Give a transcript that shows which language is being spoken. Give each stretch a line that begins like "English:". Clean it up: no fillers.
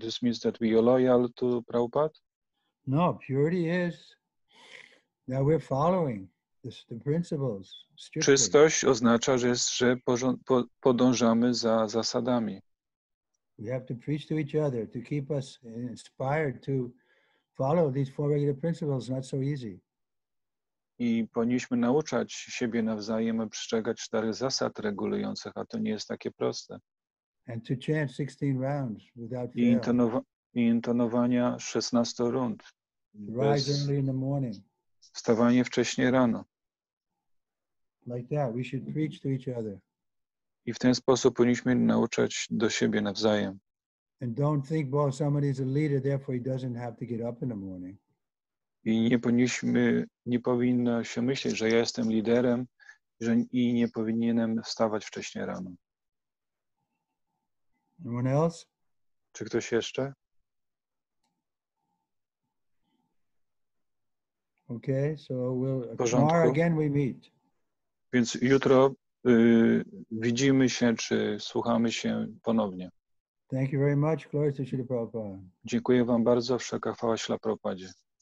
English: This means that we are loyal to Prabhupada? No, purity is that we're following the principles. Strictly.
Polish: Czystość oznacza, że podążamy za zasadami.
English: We have to preach to each other to keep us inspired to follow these four regular principles. Not so easy.
Polish: I powinniśmy nauczać siebie nawzajem przestrzegać czterech zasad regulujących, a to nie jest takie proste.
English: And to chant 16 rounds without fail.
Polish: I intonowania 16 rund.
English: Rise early in the morning.
Polish: Wstawanie wcześniej rano.
English: Like that, we should preach to each other.
Polish: I w ten sposób powinniśmy nauczać do siebie nawzajem.
English: And don't think, well, somebody is a leader, therefore he doesn't have to get up in the morning.
Polish: I nie powinno się myśleć, że ja jestem liderem i nie powinienem wstawać wcześniej rano.
English: Anyone else?
Polish: Czy ktoś jeszcze?
English: Okay, so we'll tomorrow again we meet.
Polish: Więc jutro widzimy się, czy słuchamy się ponownie.
English: Thank you very much, glory to Śrīla Prabhupāda.
Polish: Dziękuję Wam bardzo, wszelka chwała Śrīla Prabhupādzie.